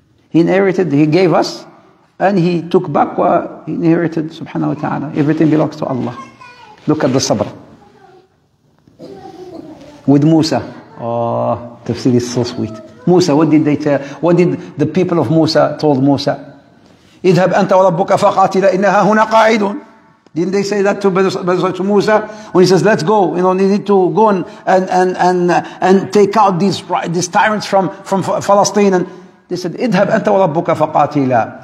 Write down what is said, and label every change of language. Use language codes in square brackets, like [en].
[en] He inherited, He gave us, and He took back what He inherited, subhanahu wa ta'ala. Everything belongs to Allah. Look at the sabr. With Musa. Oh, tafsir is so sweet. Musa, what did they tell? What did the people of Musa told Musa? [ar] اذهب أنت وربك فقاتلا إنها هنا قاعدون. [en] Didn't they say that to Musa? When he says, let's go, you know, you need to go and take out these tyrants from Palestine. And they said, [ar] اذهب أنت وربك فقاتلا.